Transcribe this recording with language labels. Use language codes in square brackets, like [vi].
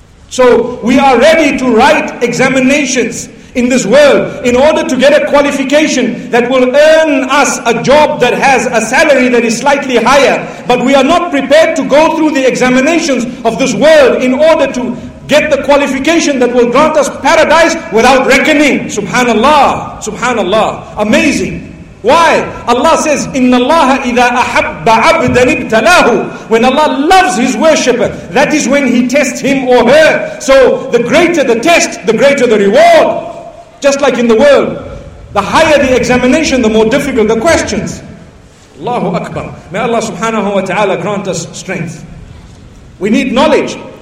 [en] So we are ready to write examinations in this world in order to get a qualification that will earn us a job that has a salary that is slightly higher. But we are not prepared to go through the examinations of this world in order to get the qualification that will grant us paradise without reckoning. Subhanallah. Subhanallah. Amazing. Why? Allah says, [ar] إِنَّ اللَّهَ إِذَا أَحَبَّ عَبْدًا ابْتَلَاهُ. [en] When Allah loves His worshipper, that is when He tests him or her. So the greater the test, the greater the reward. Just like in the world, the higher the examination, the more difficult the questions. Allahu Akbar. May Allah subhanahu wa ta'ala grant us strength. We need knowledge.